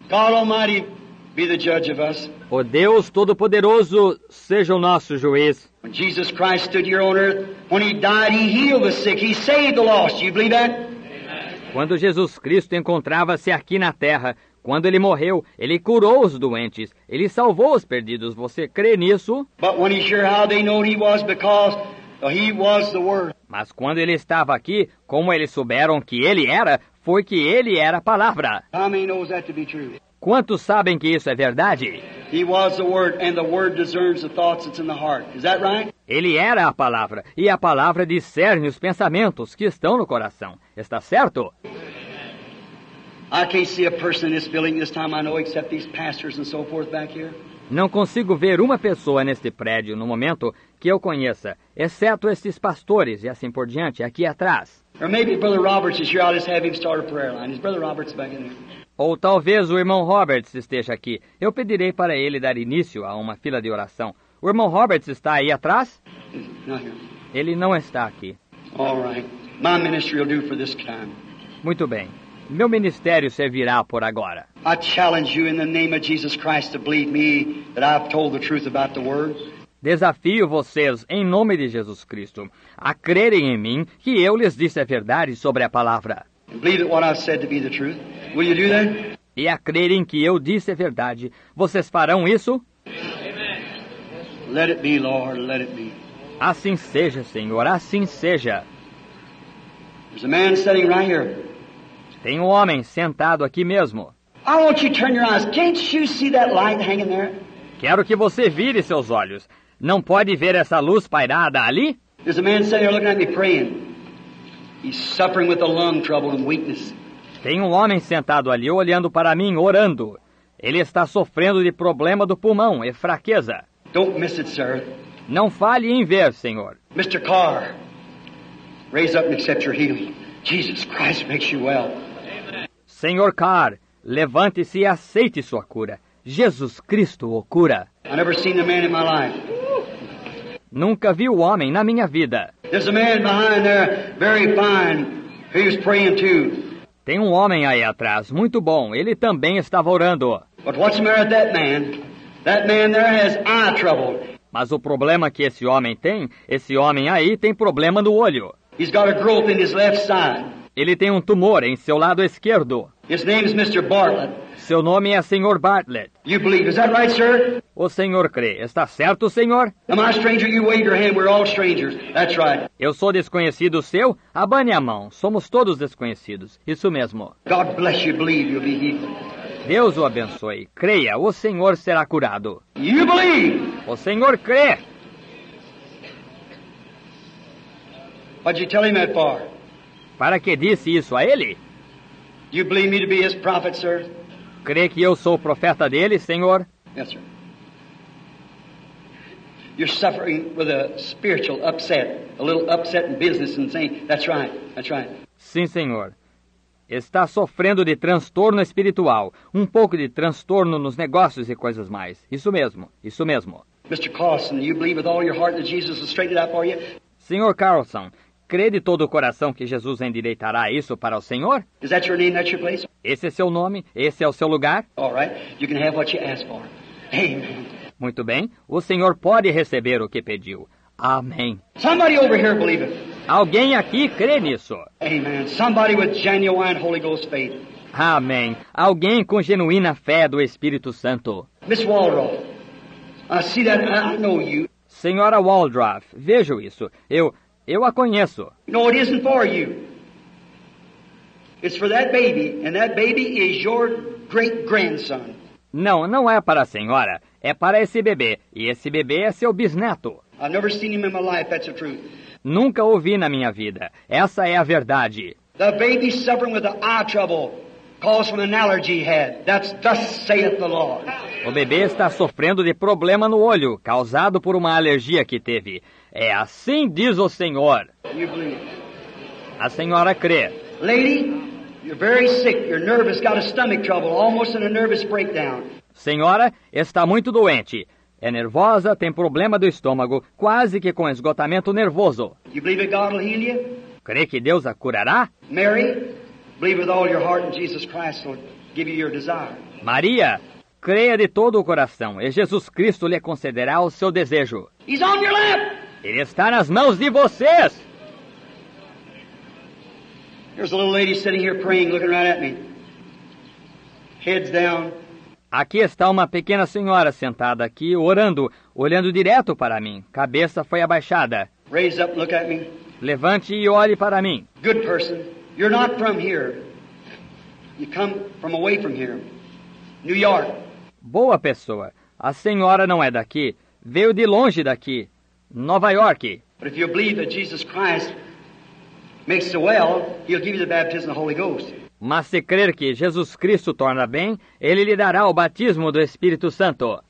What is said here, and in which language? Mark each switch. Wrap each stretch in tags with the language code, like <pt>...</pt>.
<en>God Almighty be the judge of us.</en> <pt>O Deus Todo-Poderoso seja o nosso juiz.</pt> <en>When Jesus Christ stood here on earth, when he died, he healed the sick, he saved the lost. You believe that?</en> <pt>Quando Jesus Cristo encontrava-se aqui na terra, quando ele morreu, ele curou os doentes, ele salvou os perdidos. Você crê nisso?</pt> <en>But when he's here, how they know he was because he was the word.</en> <pt>Mas quando ele estava aqui, como eles souberam que ele era? Foi que ele era a palavra.</pt> <en>How many knows that to be true?</en> <pt>Quantos sabem que isso é verdade?</pt> <en>He was the word, and the word discerns the thoughts that's in the heart. Is that right?</en> <pt>Ele era a palavra, e a palavra discerne os pensamentos que estão no coração. Está certo?</pt> <en>I can't see a person in this building this time I know except these pastors and so forth back here.</en> <pt>Não consigo ver uma pessoa neste prédio no momento que eu conheça, exceto estes pastores e assim por diante aqui atrás.</pt> <en>Or maybe Brother Roberts is here. I'll just have him start a prayer line. Is Brother Roberts back in there?</en> <pt>Ou talvez o irmão Roberts esteja aqui. Eu pedirei para ele dar início a uma fila de oração. O irmão Roberts está aí atrás? Ele não está aqui.</pt> <en>All right. My ministry will do for this time.</en> <pt>Muito bem. Meu ministério servirá por agora.</pt> <en>I challenge you in the name of Jesus Christ to believe me that I've told the truth about the word.</en> <pt>Desafio vocês, em nome de Jesus Cristo, a crerem em mim que eu lhes disse a verdade sobre a palavra.</pt> <en>Believe what I've said to be the truth. Will you do that?</en> <pt>E a crerem que eu disse a verdade, vocês farão isso?</pt> <en>Amen. Let it be, Lord, let it be.</en> <pt>Assim seja, Senhor, assim seja.</pt> <en>There's a man sitting right here.</en> <pt>Tem um homem sentado aqui mesmo.</pt> <en>I want you to turn your eyes. Can't you see that light hanging there?</en> <pt>Quero que você vire seus olhos. Não pode ver essa luz pairada ali?</pt> <en>There's a man sitting there looking at me praying. He's suffering with a lung trouble and weakness.</en> <pt>Tem um homem sentado ali olhando para mim, orando. Ele está sofrendo de problema do pulmão e fraqueza.</pt> <en>Don't miss it, sir.</en> <pt>Não fale em ver, senhor.</pt> <en>Mr. Carr, raise up and accept your healing. Jesus Christ makes you well.</en> <pt>Senhor Carr, levante-se e aceite sua cura. Jesus Cristo o cura.</pt> <en>I've never seen the man in my life.</en> <pt>Nunca vi o homem na minha vida.</pt> <en>There's a man behind there, very fine. He was praying too.</en> <pt>Tem um homem aí atrás, muito bom. Ele também estava orando.</pt> <en>But what's the matter with that man? That man there has eye trouble.</en> <pt>Mas o problema que esse homem aí tem problema no olho.</pt> <en>He's got a growth in his left side.</en> <pt>Ele tem um tumor em seu lado esquerdo.</pt> <en>His name is Mr. Bartlett.</en> <pt>Seu nome é Sr. Bartlett.</pt> <en>You believe, is that right, sir?</en> <pt>O senhor crê, está certo, senhor?</pt> <en>Am I a stranger? You wave your hand, we're all strangers. That's right.</en> <pt>Eu sou desconhecido seu? Abane a mão, somos todos desconhecidos. Isso mesmo.</pt> <en>God bless you, believe you'll be healed.</en> <pt>Deus o abençoe. Creia, o senhor será curado.</pt> <en>You believe.</en> <pt>O senhor crê.</pt> <en>What'd you tell him that for?</en> <pt>Para que disse isso a ele?</pt> <en>You believe me to be his prophet, sir?</en> <pt>Crê que eu sou o profeta dele, senhor?</pt> <en>Yes, sir. You're suffering with a spiritual upset, a little upset in business and saying, that's right, that's right.</en> <pt>Sim, senhor. Está sofrendo de transtorno espiritual, um pouco de transtorno nos negócios e coisas mais. Isso mesmo, isso mesmo.</pt> <en>Mr. Carlson, you believe with all your heart that Jesus has straightened out for you?</en> <pt>Senhor Carlson, crê de todo o coração que Jesus endireitará isso para o senhor?</pt> <en>Is that your name? That's your place?</en> <pt>Esse é seu nome? Esse é o seu lugar?</pt> <en>All right. You can have what you asked for. Amen.</en> <pt>Muito bem. O senhor pode receber o que pediu. Amém.</pt> <en>Somebody over here believe it.</en> <pt>Alguém aqui crê nisso.</pt> <en>Amen. Somebody with genuine Holy Ghost faith.</en> <pt>Amém. Alguém com genuína fé do Espírito Santo.</pt> <en>Miss Waldorf, I see that. I know you.</en> <pt>Senhora Waldorf, vejo isso. Eu a conheço.</pt> <en>No, it isn't for you. It's for that baby, and that baby is your great-grandson.</en> <pt>Não, não é para a senhora. É para esse bebê, e esse bebê é seu bisneto.</pt> <en>I've never seen him in my life, that's the truth.</en> <pt>Nunca o vi na minha vida. Essa é a verdade.</pt> <en>The baby suffering with the eye trouble caused from an allergy head. That's thus saith the Lord.</en> <pt>O bebê está sofrendo de problema no olho, causado por uma alergia que teve. É assim, diz o Senhor.</pt> <en>You believe.</en> <pt>A senhora crê.</pt> <en>Lady, you're very sick. You're nervous, got a stomach trouble, almost in a nervous breakdown.</en> <pt>Senhora, está muito doente. É nervosa, tem problema do estômago, quase que com esgotamento nervoso.</pt> <en>You believe that God will heal you?</en> <pt>Crê que Deus a curará?</pt> <en>Mary, believe with all your heart and Jesus Christ will give you your desire.</en> <pt>Maria, creia de todo o coração e Jesus Cristo lhe concederá o seu desejo.</pt> <en>He's on your lap.</en> <pt>Ele está nas mãos de vocês.</pt> <en>There's a little lady sitting here praying, looking right at me. Heads down.</en> <pt>Aqui está uma pequena senhora sentada aqui, orando, olhando direto para mim. Cabeça foi abaixada.</pt> <en>Raise up, look at me.</en> <pt>Levante e olhe para mim.</pt> <en>Good person. You're not from here. You come from away from here. New York.</en> <pt>Boa pessoa. A senhora não é daqui. Veio de longe daqui. Nova York.</pt> <en>But if you believe that Jesus Christ makes you well, he'll give you the baptism of the Holy Ghost.</en> <pt>Mas se crer que Jesus Cristo torna bem, ele lhe dará o batismo do Espírito Santo.</pt>